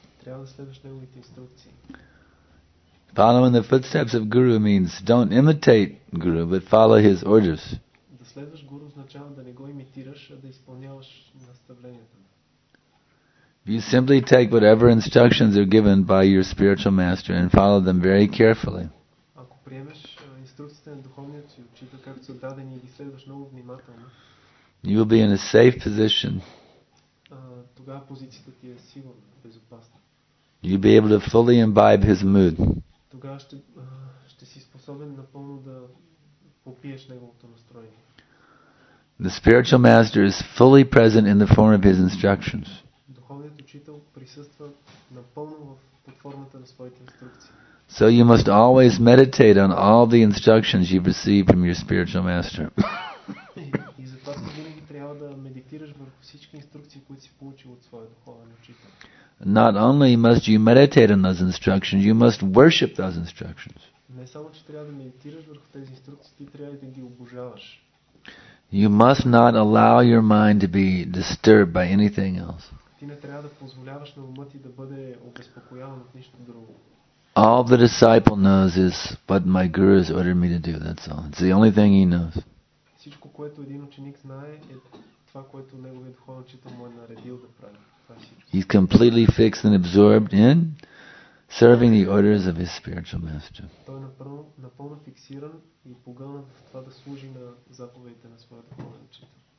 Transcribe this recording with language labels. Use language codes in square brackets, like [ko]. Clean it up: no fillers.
[bg] Трябва да следваш неговите инструкции. [en] Follow in the footsteps of Guru means don't imitate Guru, but follow his orders. [bg] Да следваш Гуру означава да не го имитираш, а да изпълняваш наставленията. [en] You simply take whatever instructions are given by your spiritual master and follow them very carefully. [bg] Ако приемеш инструкциите на духовния си учител, както са дадени, и ги следваш много внимателно, [en] you will be in a safe position. [bg] Тогава позицията ти е сигурна, безопасна. [en] You'll be able to fully imbibe his mood. [bg] Тогава ще си способен напълно да попиеш неговото настроение. [en] The spiritual master is fully present in the form of his instructions. [bg] Духовният учител присъства напълно под формата на своите инструкции. [en] So you must always meditate on all the instructions you've received from your spiritual master. [bg] И затова винаги трябва да медитираш върху всички инструкции, които си получил от своя духовен учител. [en] Not only must you meditate on those instructions, you must worship those instructions. [bg] Не само че трябва да медитираш върху тези инструкции, ти трябва да ги обожаваш. [en] You must not allow your mind to be disturbed by anything else. [bg] Ти не трябва да позволяваш на ума ти да бъде обезпокояван от нищо друго. [en] All the disciple knows is what my guru has ordered me to do, that's all. It's the only thing he knows. [bg] Всичко, което един ученик знае, е това, което неговият духовен учител му е наредил да прави. [en] He's completely fixed and absorbed in serving the orders of his spiritual master. [bg] Той е напълно фиксиран и погълнат в това да служи на заповедите на своя духовен учител.